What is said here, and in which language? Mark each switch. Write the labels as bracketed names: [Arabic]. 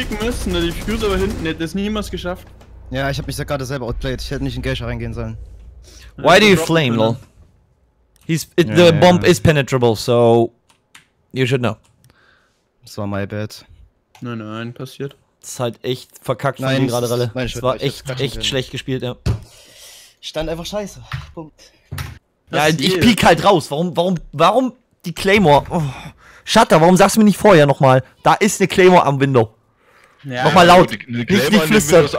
[German] hätte nicht peeken müssen, der Diffuser war hinten, hätte es niemals geschafft. Ja, ich hab mich gerade selber outplayed. Ich hätte nicht in Geisha reingehen sollen. [English] Why do you flame, lol? The bomb is penetrable, so you should know. [German] Das war [English] my bad. [German] Nein, passiert. Das ist halt echt verkackt von gerade Ralle. Das war echt schlecht gespielt, ja. Stand einfach scheiße. Punkt. Ja, ich piek halt raus. Warum die Claymore? Oh. Shutter, warum sagst du mir nicht vorher nochmal? Da ist eine Claymore am Window. Ja. Nochmal laut. Nicht die Flüster. Das ist